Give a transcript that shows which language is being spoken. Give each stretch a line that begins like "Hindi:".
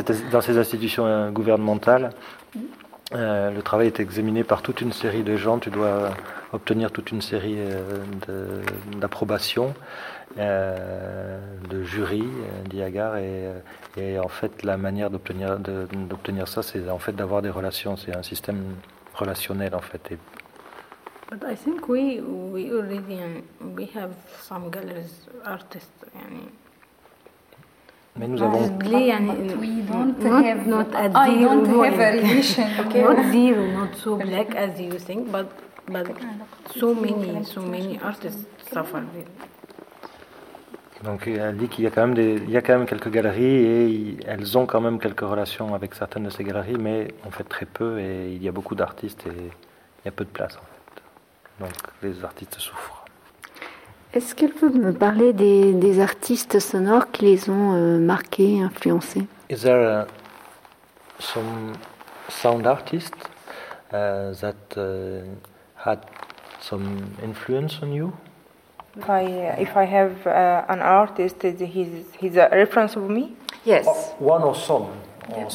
French: Dans ces institutions gouvernementales, le travail est examiné par toute une série de gens. Tu dois obtenir toute une série d'approbations. De jury, d'Iagar, et en fait la manière d'obtenir ça, c'est en fait d'avoir des relations, c'est un système relationnel en fait.
English: But I think we already we have some galleries artists.
French: Mais nous avons.
English: Probably, we don't have a relation. Okay. Not zero, not so black as you think, but so many artists suffer.
French: Donc elle dit qu'il y a quand même quelques galeries et elles ont quand même quelques relations avec certaines de ces galeries, mais en fait très peu, et il y a beaucoup d'artistes et il y a peu de place en fait. Donc les artistes souffrent. Est-ce qu'elle peut me parler des artistes sonores qui les ont marqués, influencés?
English: Is there some sound artist that had some influence on you? If I have an artist, he's a reference of me. Yes. One or some. Yes.